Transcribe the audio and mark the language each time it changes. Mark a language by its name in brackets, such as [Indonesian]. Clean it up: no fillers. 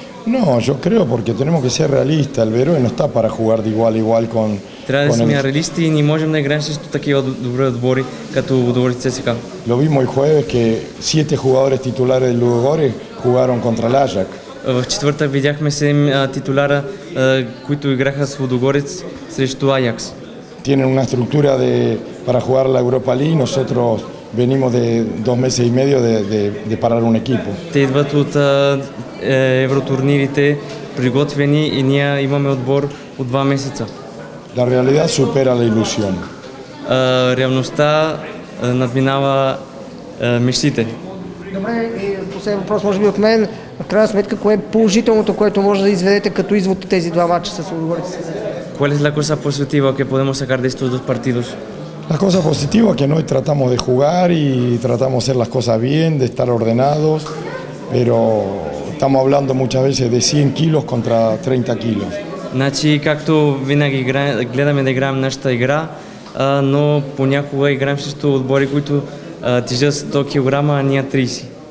[Spanish] No, yo creo porque tenemos que ser realistas. El Берое no está para jugar de igual a igual con. Trades mi realista y ni [Bulgarian] можем да играем с такива добри отбори като Лудогорец ЦСКА. [Spanish] Lo vimos el jueves que 7 jugadores titulares del Ludogorets jugaron contra el Ajax. [Bulgarian] В четвъртък видяхме 7 титуляра, които играха с Лудогорец срещу Аякс. [Spanish] Tienen una estructura de para jugar la Europa League, nosotros venimos de 2 meses y medio de parar un equipo. [Bulgarian] Те идват от евротурнирите приготвени и ние имаме отбор от 2 месеца. [Spanish] La realidad supera la ilusión. [Bulgarian] Реалността надминава мечтите. Добре, и последен въпрос може би от мен. В крайна сметка, кое е положителното, което може да изведете като извод от тези 2 мача с Лудогорец? [Spanish] ¿Cuál es la cosa positiva que podemos sacar de estos 2 partidos? La cosa positiva es que hoy tratamos de jugar y tratamos de hacer las cosas bien, de estar ordenados, pero estamos hablando muchas veces de 100 kilos contra 30 kilos. [Bulgarian] Значи, както винаги гледаме да играем нашата игра, но понякога играем срещу отбори, които тежат 100 кг, а ние 30.